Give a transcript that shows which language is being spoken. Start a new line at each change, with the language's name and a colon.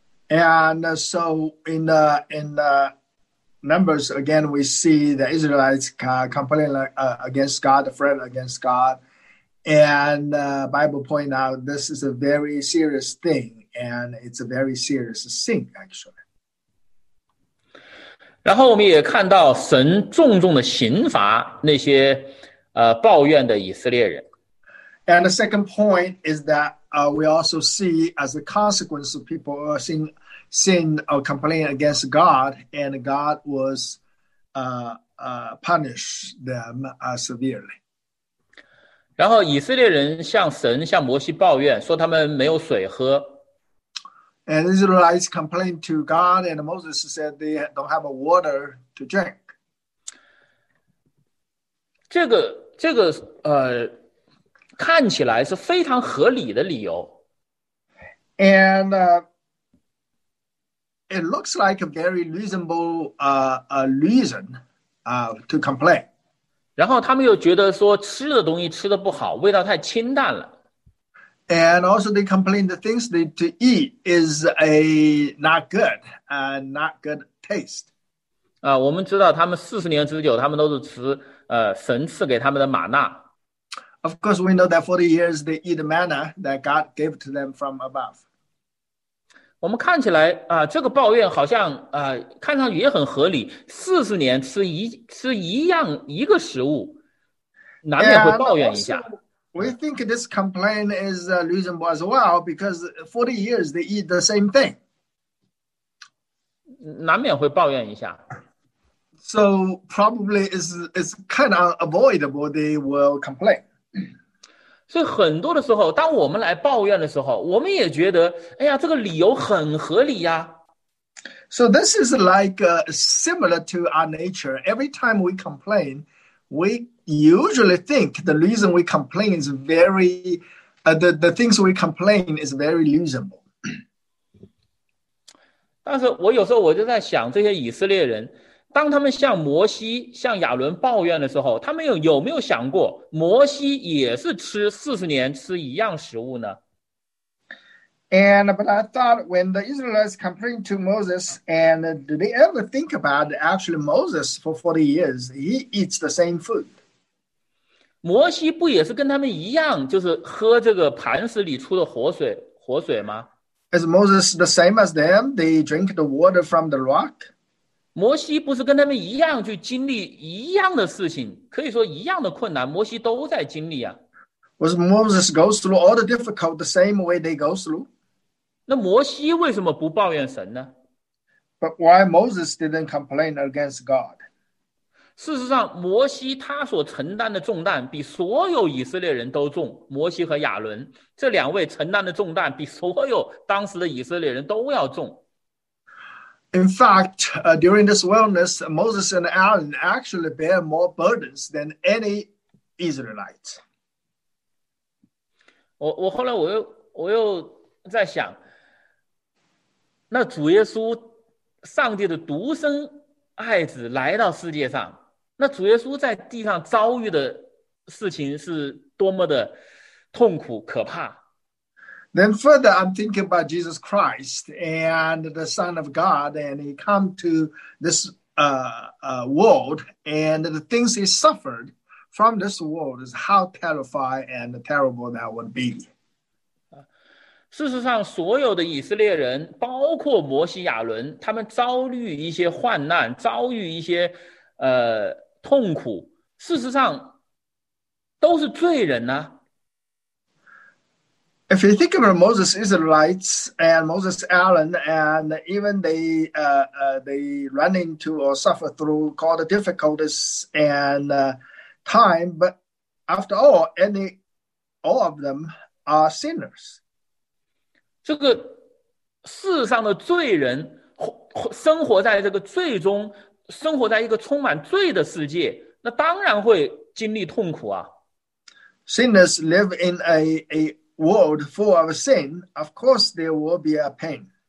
English: And so in the Numbers again, we see the Israelites complaining against God, afraid against God. And the Bible points out this is a very serious thing, and it's a very serious sin, actually.
Chinese: 然后我们也看到神重重的刑罚那些抱怨的以色列人。
English: And the second point is that we also see as a consequence of people sin or complain against God, and God was punish them severely.
Chinese: 然后以色列人向神、向摩西抱怨，说他们没有水喝。
English: And Israelites complained to God, and Moses said they don't have water to drink.
Chinese: 这个看起来是非常合理的理由。
English: And it looks like a very reasonable reason to complain.
Chinese: 然后他们又觉得说吃的东西吃的不好，味道太清淡了。
English: And also they complain the things they to eat is a not good and not good taste.
Chinese: 我们知道他们四十年之久，他们都是吃神赐给他们的玛纳。
English: Of course, we know that 40 years they eat manna that God gave to them from above.
Chinese: 我们看起来这个抱怨好像看上去也很合理。四十年吃一个食物，难免会抱怨一下。
English: Also, we think this complaint is reasonable as well because 40 years they eat the same thing.
Chinese: 难免会抱怨一下。
English: So probably is kind of unavoidable they will complain.
Chinese: 所以很多的时候，当我们来抱怨的时候，我们也觉得，哎呀，这个理由很合理呀。
English: So this is like similar to our nature. Every time we complain, we usually think the reason we complain is very, the things we complain is very reasonable.
Chinese: 但是我有时候我就在想，这些以色列人。当他们向摩西、向亚伦抱怨的时候，他们有没有想过，摩西也是吃四十年吃一样食物呢
English: ？And but I thought when the Israelites complained to Moses, and did they ever think about actually Moses for 40 years? He eats the same food.
Chinese: 摩西不也是跟他们一样，就是喝这个磐石里出的活水吗
English: ？Is Moses the same as them? They drink the water from the rock?
Chinese: 摩西不是跟他们一样去经历一样的事情，可以说一样的困难，摩西都在经历啊。
English: Was Moses go through all the difficult the same way they go through?
Chinese: 那摩西为什么不抱怨神呢
English: ？But why Moses didn't complain against God?
Chinese: 事实上，摩西他所承担的重担比所有以色列人都重。摩西和亚伦这两位承担的重担比所有当时的以色列人都要重。
English: In fact, during this wilderness, Moses and Aaron actually bear more burdens than any Israelites.
Chinese: 我后来我又在想，那主耶稣，上帝的独生爱子来到世界上，那主耶稣在地上遭遇的事情是多么的痛苦可怕。
English: Then further, I'm thinking about Jesus Christ and the Son of God, and he come to this world, and the things he suffered from this world is how terrifying and terrible that would be.
Chinese: 事实上，所有的以色列人，包括摩西、亚伦，他们遭遇一些患难，遭遇一些痛苦。事实上，都是罪人呢。
English: If you think about Moses, Israelites, and Moses, Aaron, and even they run into or suffer through all the difficulties and time, but after all, all of them are sinners.
Chinese: 这个世上的罪人生活在这个罪中，生活在一个充满罪的世界，那当然会经历痛苦啊。
English: Sinners live in a world full of sin, of course there will be a pain.